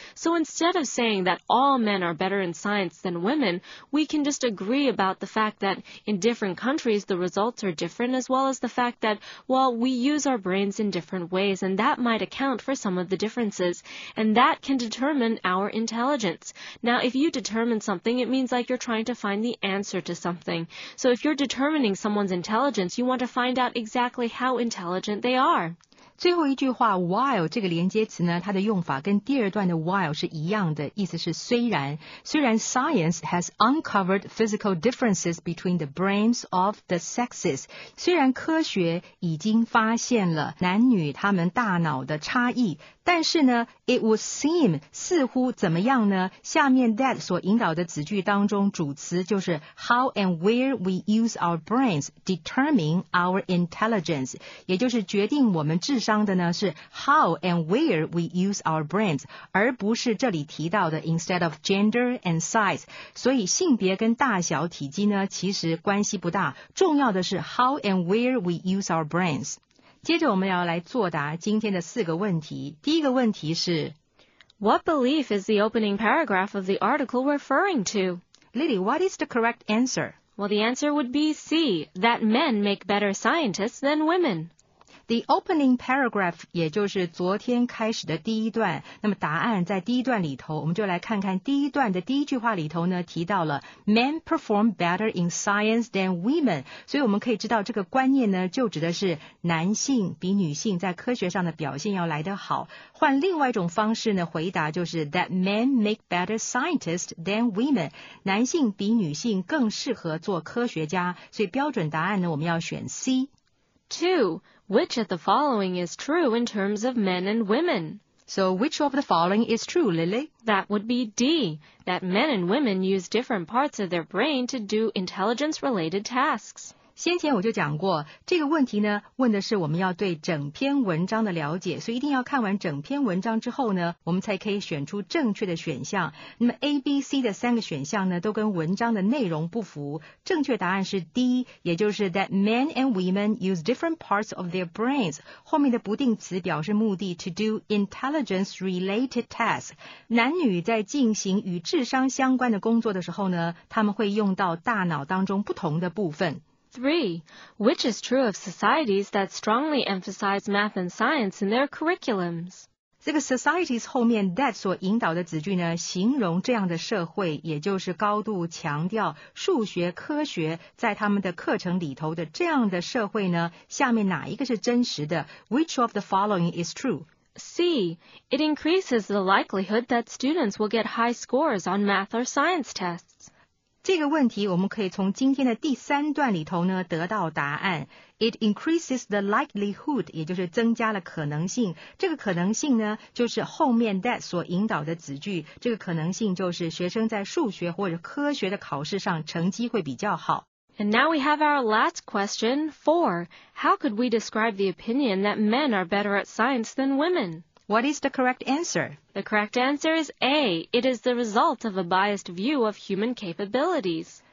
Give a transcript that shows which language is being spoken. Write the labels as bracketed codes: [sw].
[en] So instead of saying that all men are better in science than women, we can just agree about the fact that in different countries the results are different, as well as the fact that, well, we use our brains in different ways, and that might account for some of the differences, and that can determine our intelligence. Now, if you determine something, it means like you're trying to find the answer to something. So if you're determining someone's intelligence, you want to find out exactly how intelligent they are. [zh] 最后一句话 while 这个连接词呢，它的用法跟第二段的 while 是一样的，意思是虽然 [en] science has uncovered physical differences between the brains of the sexes， [zh] 虽然科学已经发现了男女他们大脑的差异，但是呢 [en] it would seem [zh] 似乎怎么样呢，下面 that 所引导的子句当中主词就是 [en] how and where we use our brains determine our intelligence， [zh] 也就是决定我们智商的呢是 [en] how and where we use our brains， [zh] 而不是这里提到的 [en] instead of gender and size， [zh] 所以性别跟大小体积呢其实关系不大，重要的是 [en] how and where we use our brains。 [zh] 接着我们要来作答今天的四个问题。第一个问题是 [en] What belief is the opening paragraph of the article referring to? Lily, what is the correct answer? Well, the answer would be C, that men make better scientists than women. The opening paragraph [zh] 也就是昨天开始的第一段，那么答案在第一段里头，我们就来看看第一段的第一句话里头呢，提到了 [en] Men perform better in science than women， [zh] 所以我们可以知道这个观念呢，就指的是男性比女性在科学上的表现要来得好。换另外一种方式呢，回答就是 [en] That men make better scientists than women， [zh] 男性比女性更适合做科学家，所以标准答案呢，我们要选 C。 [en] Two, which of the following is true in terms of men and women? So which of the following is true, Lily? That would be D, that men and women use different parts of their brain to do intelligence-related tasks. [zh] 先前我就讲过，这个问题呢，问的是我们要对整篇文章的了解，所以一定要看完整篇文章之后呢，我们才可以选出正确的选项。那么 A、B、C 的三个选项呢，都跟文章的内容不符，正确答案是 D， 也就是 [en] that men and women use different parts of their brains， [zh] 后面的不定词表示目的 [en] to do intelligence-related tasks， [zh] 男女在进行与智商相关的工作的时候呢，他们会用到大脑当中不同的部分。 [en] Three, which is true of societies that strongly emphasize math and science in their curriculums? [zh] 这个 societies 后面 that 所引导的子句呢，形容这样的社会，也就是高度强调数学、科学在他们的课程里头的这样的社会呢，下面哪一个是真实的？ [en] Which of the following is true? C, it increases the likelihood that students will get high scores on math or science tests. [zh] 这个问题我们可以从今天的第三段里头呢得到答案。 [en] It increases the likelihood， [zh] 也就是增加了可能性。这个可能性呢，就是后面 that 所引导的子句。这个可能性就是学生在数学或者科学的考试上成绩会比较好。 [en] And now we have our last question, four. How could we describe the opinion that men are better at science than women? What is the correct answer? The correct answer is A. It is the result of a biased view of human capabilities.